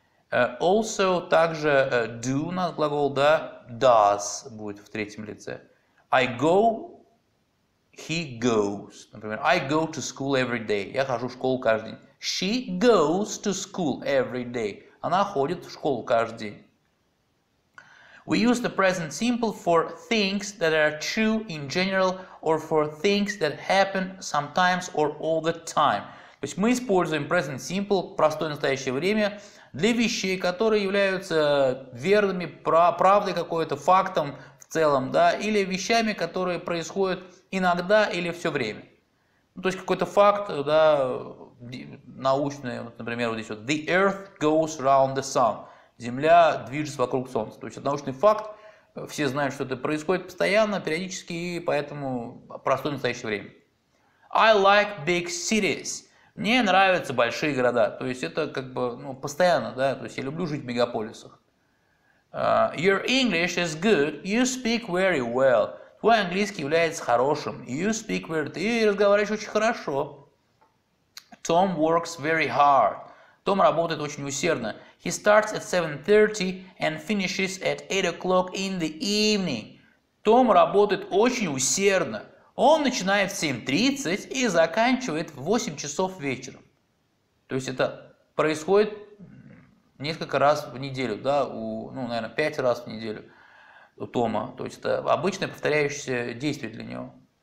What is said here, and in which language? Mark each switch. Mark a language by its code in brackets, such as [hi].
[ru] Also, также do у нас глагол, да, does будет в третьем лице. [en] I go, he goes. Например, I go to school every day. [ru] Я хожу в школу каждый день. [en] She goes to school every day. [ru] Она ходит в школу каждый день. [en] We use the present simple for things that are true in general or for things that happen sometimes or all the time. [ru] То есть мы используем present simple, простое настоящее время, для вещей, которые являются верными, правдой какой-то, фактом в целом, да, или вещами, которые происходят иногда или все время. Ну, то есть какой-то факт, да, научный, вот, например, вот здесь вот, [en] the earth goes round the sun, [ru] Земля движется вокруг Солнца. То есть это научный факт, все знают, что это происходит постоянно, периодически, и поэтому простое настоящее время. [en] I like big cities. [ru] Мне нравятся большие города. То есть это как бы ну, постоянно, да, то есть я люблю жить в мегаполисах. [en] Your English is good, you speak very well. [ru] Твой английский является хорошим. [en] You speak very well. [ru] Ты разговариваешь очень хорошо. [en] Tom works very hard. [ru] Том работает очень усердно. [en] He starts at 7:30 and finishes at 8 o'clock in the evening. [ru] Том работает очень усердно. Он начинает в 7:30 и заканчивает в 8 часов вечера. То есть это происходит несколько раз в неделю, да, наверное, 5 раз в неделю у Тома. То есть это обычное повторяющееся действие для него.